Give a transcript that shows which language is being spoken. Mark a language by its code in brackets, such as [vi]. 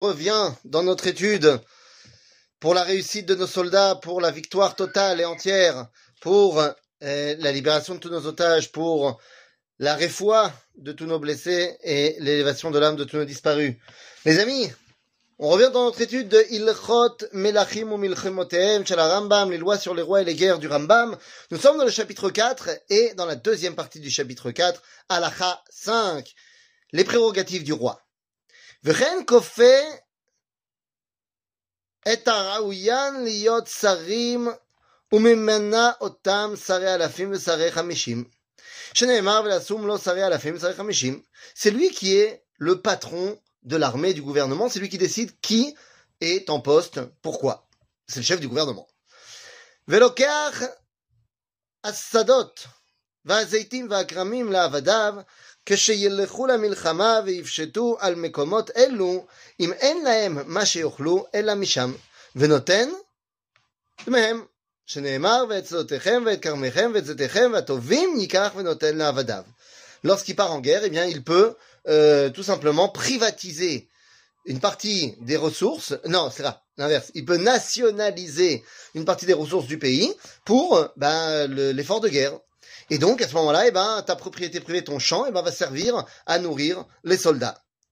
[fr] revient dans notre étude pour la réussite de nos soldats, pour la victoire totale et entière, pour la libération de tous nos otages, pour la réfoua de tous nos blessés et l'élévation de l'âme de tous nos disparus. Les amis, on revient dans notre étude de Ilchot Melachim ou Milchemotem, chez la Rambam, les lois sur les rois et les guerres du Rambam. Nous sommes dans le chapitre 4 et dans la deuxième partie du chapitre 4, Halakha 5, les prérogatives du roi. [he] וכן כופה את הראויין להיות שרים וממנה אותם שרי אלפים ושרי חמישים. שנאמר ולשום לו שרי אלפים ושרי חמישים. [fr] C'est lui qui est le patron de l'armée, du gouvernement. C'est lui qui décide qui est en poste, pourquoi. C'est le chef du gouvernement. [he] ולוקח השדות והזיתים והכרמים לעבדיו. כשילכו למלחמה ויפשטו על מקומות אלו, אם אין להם מה שיוכלו, אלא משם, ונותן מהם, שנאמר, ואת שדותיכם, ואת כרמיכם, ואת זיתיכם, והטובים ייקח ונותן לעבדיו. [fr] Lorsqu'il part en guerre, eh bien, il peut tout simplement privatiser une partie des ressources, non, c'est là, l'inverse, il peut nationaliser une partie des ressources du pays pour l'effort de guerre. Et donc, à ce moment-là, eh ben, ta propriété privée, ton champ, eh ben, va servir à nourrir les soldats.